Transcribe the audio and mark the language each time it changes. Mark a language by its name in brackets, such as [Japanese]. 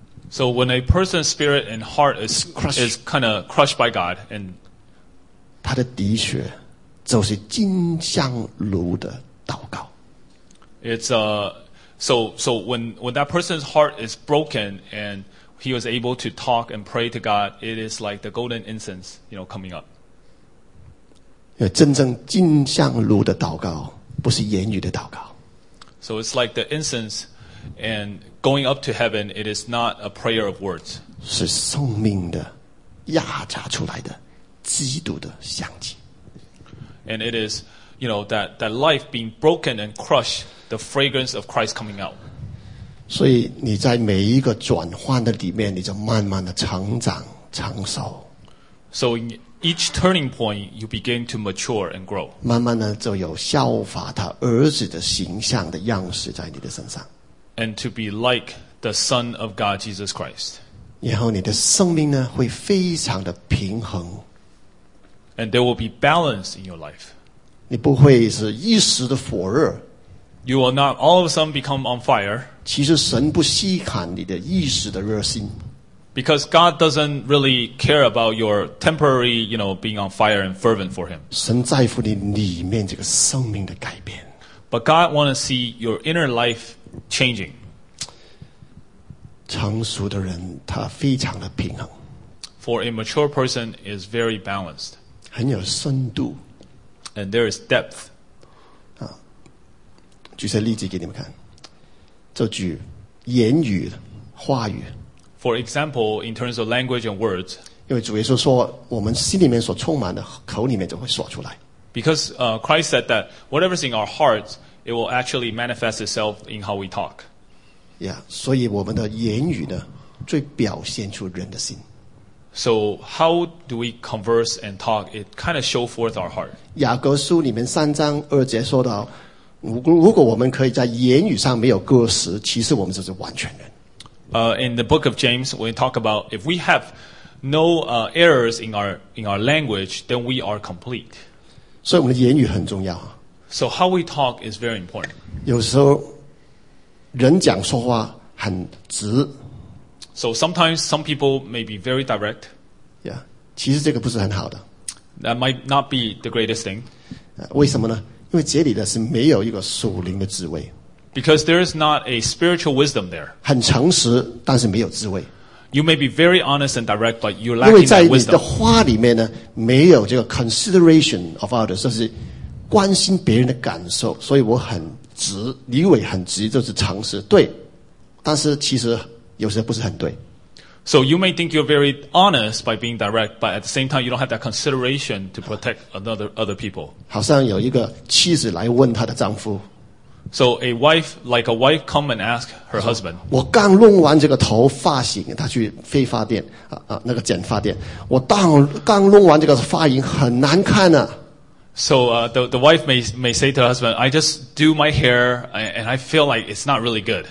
[English] So when a person's spirit and heart is kind of crushed by God, and [Chinese] 他的滴血就是金香炉的祷告。 [English] So when that person's heart is broken and he was able to talk and pray to God, it is like the golden incense, you know, coming up. [Chinese] 真正金香炉的祷告不是言语的祷告。 [English] So it's like the incense and going up to heaven, it is not a prayer of words. [Chinese] 是生命的压榨出来的基督的香气。 [English] And it is, you know, that life being broken and crushed, the fragrance of Christ coming out. [Chinese] 所以你在每一个转换的里面，你就慢慢的成长成熟。 [English] So in each turning point, you begin to mature and grow. [Chinese] 慢慢的就有效法他儿子的形象的样式在你的身上。 [English] And to be like the Son of God, Jesus Christ. [Chinese] 然后你的生命呢，会非常的平衡。 [English] And there will be balance in your life. [Chinese] 你不会是一时的火热。 [English] You will not all of a sudden become on fire. [Chinese] 其实神不稀罕你的一时的热心。 [English] Because God doesn't really care about your temporary, you know, being on fire and fervent for Him. [Chinese] 神在乎你里面这个生命的改变。 [English] But God wants to see your inner life changing. [Chinese] 成熟的人他非常的平衡。 [English] For a mature person is very balanced. [Chinese] 很有深度 [English] and there is depth. [Chinese] 啊，举些例子给你们看，就举言语、话语。 [English] For example, in terms of language and words, [Chinese] 因为主耶稣说，我们心里面所充满的，口里面就会说出来。 [English] Because Christ said that whatever is in our hearts, it will actually manifest itself in how we talk. [Chinese] Yeah, 所以我们的言语呢，最表现出人的心。 [English] So how do we converse and talk? It kind of show forth our heart. [Chinese] 雅各书里面三章二节说到，如果我们可以在言语上没有过失，其实我们就是完全人。 [English] In the book of James, we talk about if we have no errors in our language, then we are complete. [Chinese] 所以我们的言语很重要。 [English] So how we talk is very important. [Chinese] 有时候人讲说话很直。 [English] So sometimes some people may be very direct. [Chinese] Yeah, 其实这个不是很好的。 [English] That might not be the greatest thing. [Chinese] 为什么呢？因为这里的是没有一个属灵的智慧。 [English] Because there is not a spiritual wisdom there. [Chinese] 很诚实，但是没有智慧。 [English] You may be very honest and direct, but you're lacking wisdom. [Chinese] 因为在你的话里面呢，没有这个 [English] consideration of others, [Chinese] 就是关心别人的感受。所以我很直，李伟很直，就是诚实。对，但是其实。有些不是很对。 [English] So you may think you're very honest by being direct, but at the same time, you don't have that consideration to protect other people. [Chinese] 好像有一个妻子来问她的丈夫。 [English] So a wife, like a wife, come and ask her husband. [Chinese] 我刚弄完这个头发型，她去飞发店，那个剪发店。我刚弄完这个发型很难看啊。 [English] So the wife may say to her husband, I just do my hair, and I feel like it's not really good.